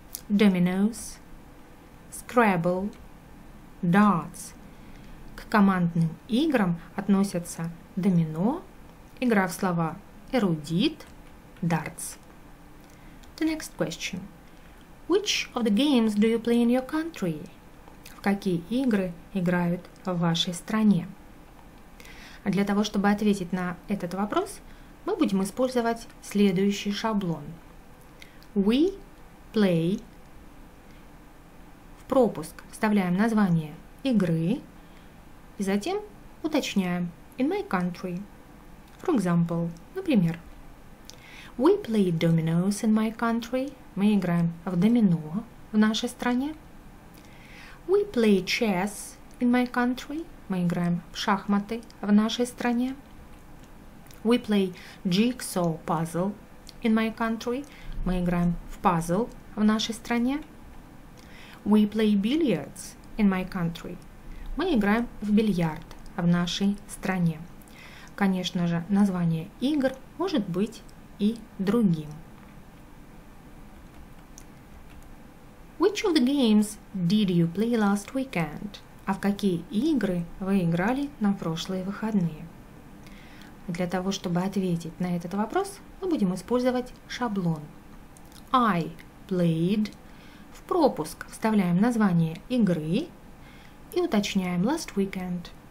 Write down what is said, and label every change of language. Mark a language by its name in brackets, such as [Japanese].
[English] Dominoes, Scrabble, Darts. [Russian] К командным играм относятся домино, игра в слова эрудит, дартс. [English] The next question. Which of the games do you play in your country? [Russian] В какие игры играют в вашей стране? А для того, чтобы ответить на этот вопрос, мы будем использовать следующий шаблон. [English] We play. [Russian] В пропуск вставляем название игры и затем уточняем [English] in my country. For example, [Russian] например. [English] We play dominoes in my country. [Russian] Мы играем в домино в нашей стране. [English] We play chess in my country. [Russian] Мы играем в шахматы в нашей стране. [English] We play jigsaw puzzle in my country. [Russian] Мы играем в пазл в нашей стране. [English] We play billiards in my country. [Russian] Мы играем в бильярд в нашей стране. Конечно же, название игр может быть и другим. [English] Which of the games did you play last weekend? [Russian] А в какие игры вы играли на прошлые выходные? Для того, чтобы ответить на этот вопрос, мы будем использовать шаблон. [English] I played. [Russian] В пропуск вставляем название игры и уточняем [English] last weekend.